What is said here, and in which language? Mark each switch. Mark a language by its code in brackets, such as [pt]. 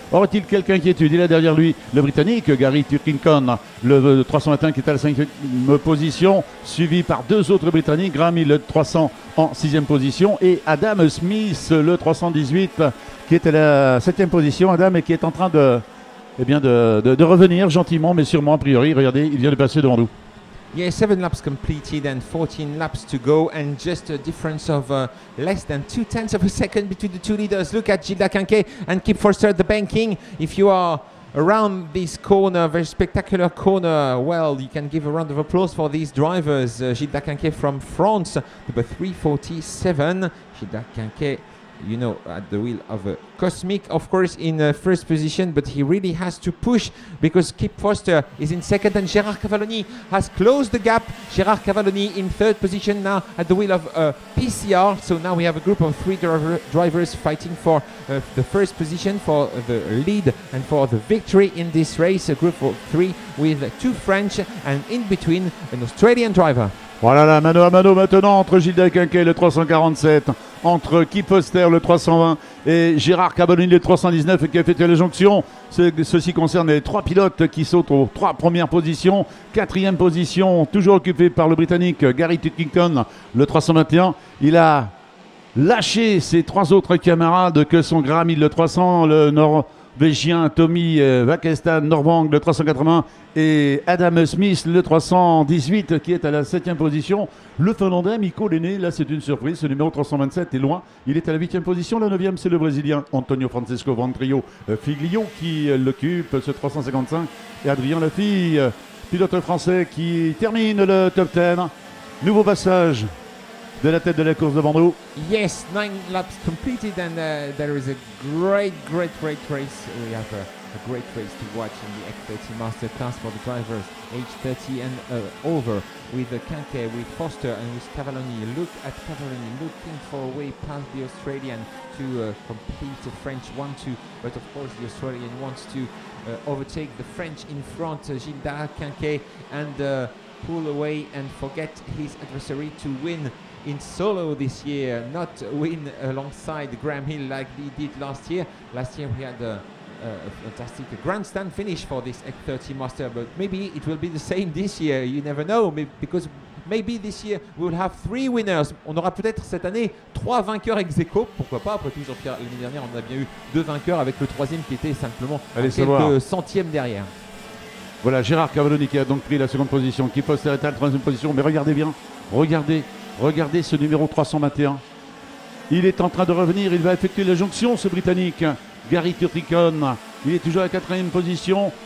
[fr] Aurait-il quelque inquiétude? Il a derrière lui le Britannique, Gary Turkington, le 321 qui est à la cinquième position, suivi par deux autres Britanniques, Graham Hill, le 300 en sixième position, et Adam Smith, le 318, qui est à la septième position, Adam, et qui est en train de, eh bien de revenir gentiment, mais sûrement, a priori. Regardez, il vient de passer devant nous. [en] Yeah, 7 laps completed and 14 laps to go, and just a difference of less than 2/10 of a second between the two leaders. Look at Gilles Dakinke and Kip Foster, the banking. If you are around this corner, very spectacular corner, well, you can give a round of applause for these drivers. Gilles Dakinke from France, number 347. Gilles Dakinke, you know, at the wheel of a Cosmic, of course, in first position, but he really has to push because Kip Foster is in second and Gérard Cavalloni has closed the gap. Gérard Cavalloni in third position now at the wheel of PCR. So now we have a group of three drivers fighting for the first position, for the lead and for the victory in this race. A group of three with two French and in between an Australian driver. [fr] Voilà, là, mano à mano maintenant entre Gilles Dakinke, le 347, entre Kip Foster, le 320, et Gérard Cavalloni, le 319, qui a fait la jonction. Ceci concerne les trois pilotes qui sautent aux trois premières positions. Quatrième position, toujours occupée par le Britannique Gary Turkington, le 321. Il a lâché ses trois autres camarades que sont Graham Hill, le 300, le Norvégien Tommy Vakestrand-Norvang, le 380, et Adam Smith, le 318, qui est à la 7e position. Le Finlandais, Mikko Lenné, là c'est une surprise, ce numéro 327 est loin. Il est à la 8e position, la 9e c'est le Brésilien Antonio Francisco Ventrio Figlio qui l'occupe, ce 355. Et Adrien Lafille, pilote français qui termine le top 10. Nouveau passage de la tête de la course devant nous. [en] Yes, 9 laps completed and there is a great race we have. A great race to watch in the X30 Masterclass for the drivers age 30 and over, with Kanke, with Foster and with Cavalloni. Look at Cavalloni looking for a way past the Australian to complete the French 1-2, but of course the Australian wants to overtake the French in front, Gilles Dakinke, and pull away and forget his adversary to win in solo this year, not win alongside Graham Hill like he did last year. Last year we had a fantastic grandstand finish for this X30 Master, but maybe it will be the same this year, you never know, because maybe this year we'll have three winners. [fr] On aura peut-être cette année trois vainqueurs ex aequo, pourquoi pas. Après tout, Jean-Pierre, l'année dernière on a bien eu deux vainqueurs avec le troisième qui était simplement quelques centièmes derrière. Voilà, Gérard Cavalloni qui a donc pris la seconde position, qui poste à la troisième position, mais regardez bien, regardez ce numéro 321, il est en train de revenir, il va effectuer la jonction, ce Britannique Gary Turkington, il est toujours à la quatrième position.